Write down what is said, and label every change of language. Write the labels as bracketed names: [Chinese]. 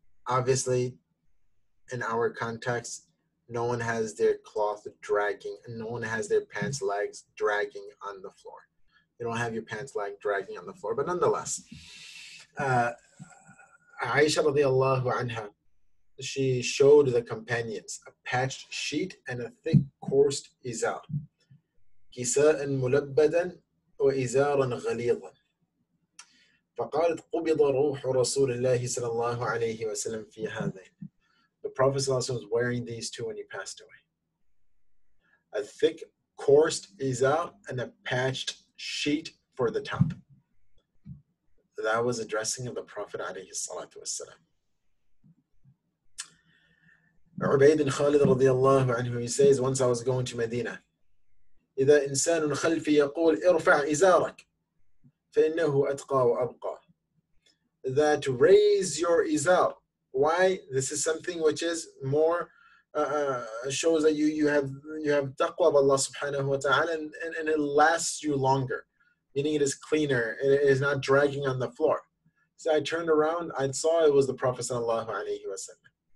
[English] Obviously, in our context, no one has their cloth dragging, and no one has their pants legs dragging on the floor. You don't have your pants leg dragging on the floor, but nonetheless, Aisha radiallahu anha, she showed the companions a patched sheet and a thick, coarse izar. [Arabic] كِسَاءً مُلَبَّدًا وَإِزَارًا غَلِيظًا فَقَالَتْ قُبِضَ رُوحُ رَسُولِ اللَّهِ صَلَى اللَّهُ عَلَيْهِ وَسَلَمْ فِي هَذَيْنِ [English] The Prophet ﷺ was wearing these two when he passed away. A thick, coarse izar and a patched sheet for the top. That was the dressing of the Prophet ﷺ. Ubayd bin Khalid radiyallahu anhu, he says, once I was going to Medina. [Arabic] إِذَا إِنسَانٌ خَلْفِي يَقُولْ إِرْفَعْ إِزَارَكْ فَإِنَّهُ أَتْقَى وَأَبْقَى [English] That raise your izar. Why? This is something which is more, shows that you have taqwa of Allah subhanahu wa ta'ala, and it lasts you longer. Meaning it is cleaner, and it is not dragging on the floor. So I turned around, I saw it was the Prophet sallallahu alayhi wa sallam.